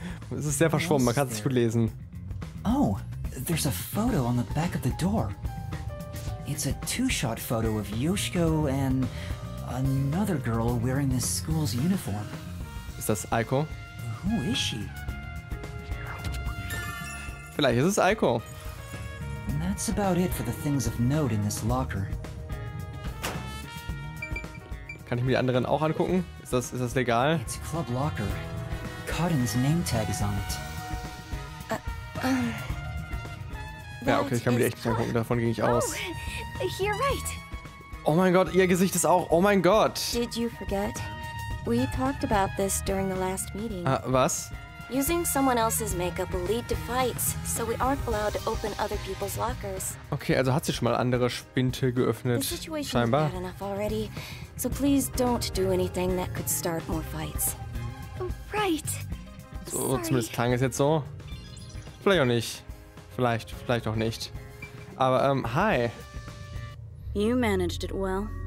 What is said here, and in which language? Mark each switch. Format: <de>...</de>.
<de>Es ist sehr verschwommen, man kann es nicht gut lesen.</de> <en>Oh, there's a photo on the back of the door. It's a two-shot photo of Yoshiko and another girl wearing the school's uniform.</en> <de>Ist das Aiko?</de> <en>Who is she?</en> <de>Vielleicht ist es Aiko.</de> <en>That's about it for the things of note in this locker.</en> <de>Kann ich mir die anderen auch angucken? Ist das legal?</de> <en>It's a club locker. Cotton's name tag is on it.</en> <de>Ja, okay, ich kann mir die echt nicht angucken. Davon ging ich aus.</de> <en>Oh, you're right.</en> <de>Oh mein Gott, ihr Gesicht ist auch. Oh mein Gott.</de> <en>Did you forget? We talked about this during the last meeting.</en> <de>Was?</de> <en>Using someone else's makeup will lead to fights, so we aren't allowed to open other people's lockers.</en> <de>Okay, also hat sie schon mal andere Spinte geöffnet, scheinbar.</de> <en>Bad enough already, so please don't do anything that could start more fights. Right.</en> <de>So, zumindest klang es jetzt so. Vielleicht auch nicht. Vielleicht auch nicht. Aber, hi.</de> <en>You managed it well.</en>